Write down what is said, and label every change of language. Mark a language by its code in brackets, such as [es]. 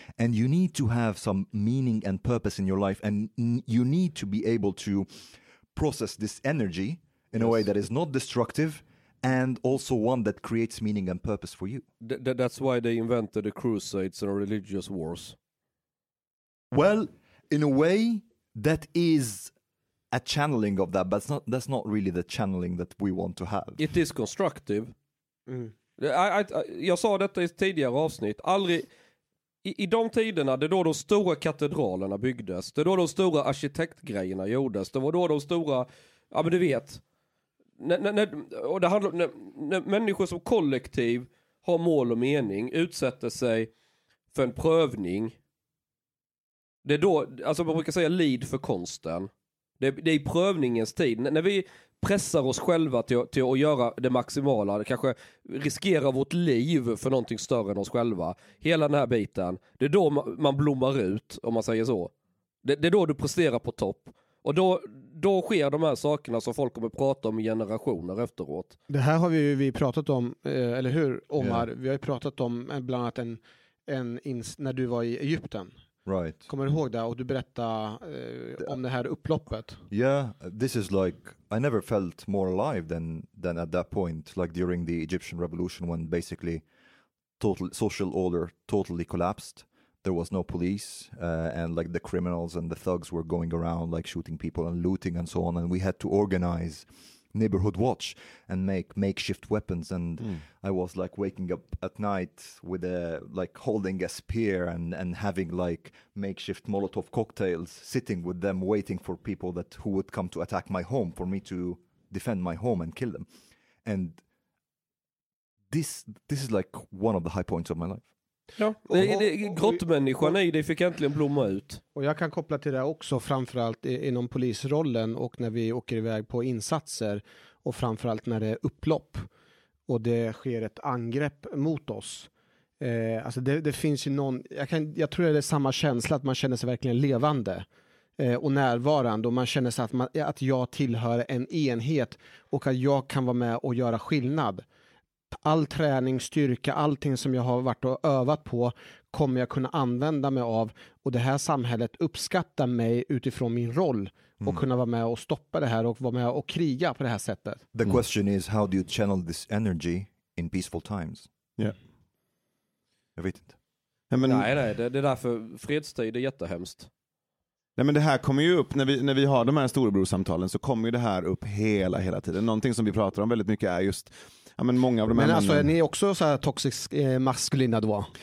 [en] And you need to have some meaning and purpose in your life, and you need to be able to process this energy in a way that is not destructive and also one that creates meaning and purpose for you. That's why they invented the crusades and religious wars. Well, in a way, that is... a channeling of that, but that's not really the channeling that we want to have. It is constructive. [sv] Jag sa detta i tidigare avsnitt. Aldrig, i de tiderna, det är då de stora katedralerna byggdes. Det är då de stora arkitektgrejerna gjordes. Det var då de stora, ja men du vet. När människor som kollektiv har mål och mening, utsätter sig för en prövning. Det är då, alltså man brukar säga lid för konsten. Det är prövningens tid. När vi pressar oss själva till att göra det maximala, kanske riskera vårt liv för någonting större än oss själva, hela den här biten, det är då man blommar ut, om man säger så. Det är då du presterar på topp. Och då sker de här sakerna som folk kommer prata om generationer efteråt. Det här har vi pratat om, eller hur, Omar? Yeah. Vi har ju pratat om bland annat när du var i Egypten. [en] Right. [sv] Kommer du ihåg det? Och du berättade om det här upploppet. [en] Yeah, this is like, I never felt more alive than at that point, like during the Egyptian revolution when basically total social order totally collapsed. There was no police and like the criminals and the thugs were going around like shooting people and looting and so on. And we had to organize neighborhood watch and make makeshift weapons. And I was like waking up at night with a like holding a spear and having like makeshift Molotov cocktails, sitting with them, waiting for people who would come to attack my home, for me to defend my home and kill them. And this is like one of the high points of my life. [sv] Ja, grottmänniskan i dig fick äntligen blomma ut. Och jag kan koppla till det också, framförallt inom polisrollen och när vi åker iväg på insatser, och framförallt när det är upplopp och det sker ett angrepp mot oss. Alltså det finns ju någon, jag tror det är samma känsla, att man känner sig verkligen levande och närvarande, och man känner sig att jag tillhör en enhet och att jag kan vara med och göra skillnad. All träning, styrka, allting som jag har varit och övat på kommer jag kunna använda mig av, och det här samhället uppskattar mig utifrån min roll och kunna vara med och stoppa det här och vara med och kriga på det här sättet. [en] The question is, how do you channel this energy in peaceful times? Yeah. [sv] Jag vet inte. Det är därför fredstid är jättehemskt. Nej, men det här kommer ju upp när vi har de här storebrorssamtalen, så kommer ju det här upp hela tiden. Någonting som vi pratar om väldigt mycket är just, ja, men många av de här männen. Alltså, är ni också så här toxisk maskulina då?